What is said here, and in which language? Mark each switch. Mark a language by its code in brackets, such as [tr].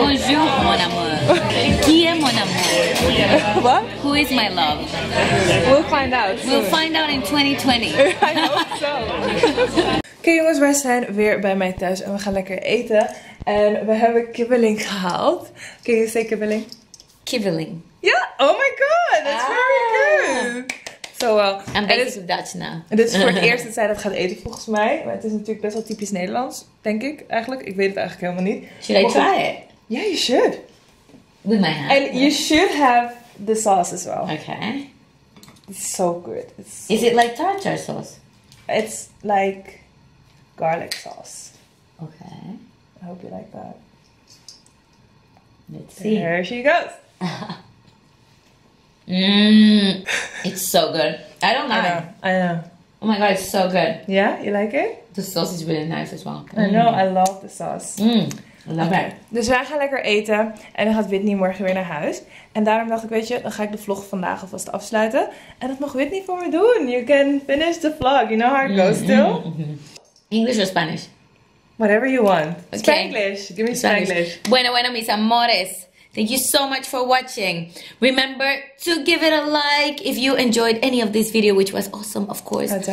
[fr] Bonjour mon amour. Qui est mon amour? [en] What? Who is my love? We'll find out soon. We'll find out in 2020. I hope so. [nl] Oké, jongens, wij zijn weer bij mij thuis en we gaan lekker eten. En we hebben kibbeling gehaald. [en] Can you say kibbeling? Kibbeling. Ja, yeah. Oh my god, that's very good. So well. I'm basic of Dutch now. [nl] Dit is voor het eerst dat zij dat gaat eten volgens mij. Maar het is natuurlijk best wel typisch Nederlands, denk ik eigenlijk. Ik weet het eigenlijk helemaal niet. [en] Should I try it? Yeah, you should. With my hand. And yeah. You should have the sauce as well. Okay. It's so good. It's so is it like tartar sauce? It's like garlic sauce. Okay. I hope you like that. Let's see. There she goes. It's so good. I don't mind. I know. Oh my god, it's so good. Yeah, you like it? The sauce is really nice as well. I know, I love the sauce. Okay. [nl] Dus wij gaan lekker eten en dan gaat Whitney morgen weer naar huis. En daarom dacht ik, weet je, dan ga ik de vlog vandaag alvast afsluiten. En dat mag Whitney voor me doen. [en] You can finish the vlog. You know how it goes still? English or Spanish? Whatever you want. Okay. Spanglish. Give me Spanglish. [es] Bueno, bueno, mis amores. [en] Thank you so much for watching. Remember to give it a like if you enjoyed any of this video, which was awesome, of course.